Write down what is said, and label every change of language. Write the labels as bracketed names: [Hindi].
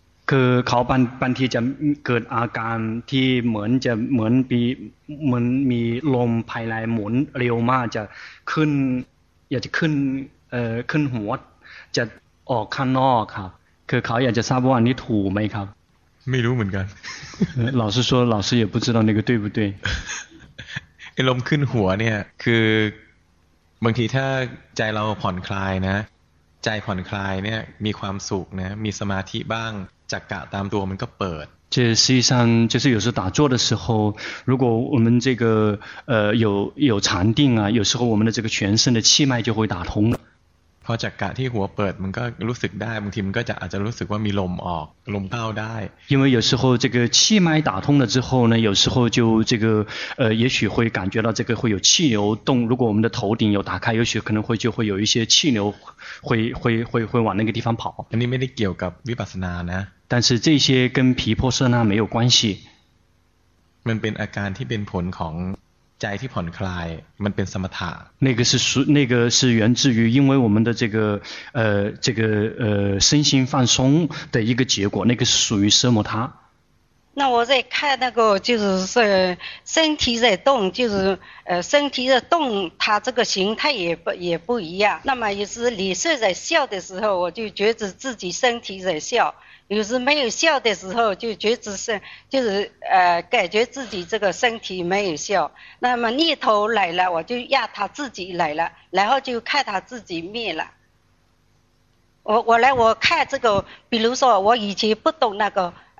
[Thai] คือเขาบางทีจะเกิดอาการที่เหมือนมีลมภายในหมุนเร็วมากจะขึ้นอยากจะขึ้นขึ้นหัวจะออกข้างนอกครับคือเขาอยากจะทราบว่าอันนี้ถูกไหมครับ ไม่รู้เหมือนกัน [Chinese] 老师说老师也不知道那个对不对 [Thai] ลมขึ้นหัวเนี่ยคือบางทีถ้าใจเราผ่อนคลายนะใจผ่อนคลายเนี่ยมีความสุขนะมีสมาธิบ้างจักกะตามตัวมันก็เปิด จะสิ่งที่จะคือ [Chinese] 有时打坐的时候如果我们这个有禅定啊有时候我们的这个全身的气脉就会打通 [Thai] พอจักกะที่หัวเปิดมันก็รู้สึกได้บางทีมันก็จะอาจจะรู้สึกว่ามีลมออกลมเข้าได้ [Chinese] 因为有时候这个气脉打通了之后呢有时候就这个也许会感觉到这个会有气流动如果我们的头顶有打开也许可能会就会有一些气流会往那个地方跑 [Thai] อันนี้ไม่ได้เกี่ยวกับวิปัสสนานะ [Chinese] 但是这些跟毗婆舍那没有关系 [Thai] มันเป็นอาการที่เป็นผลของใจที่ผ่อนคลายมันเป็นสมถะ [Chinese] 那个是源自于因为我们的这个这个身心放松的一个结果那个是属于奢摩他那我在看那个就是说身体在动就是身体的动它这个形态也不一样那么有时脸色在笑的时候我就觉得自己身体在笑有时没有笑的时候就觉知是就是感觉自己这个身体没有笑那么念头来了我就压他自己来了然后就看他自己灭了我来我看这个比如说我以前不懂那个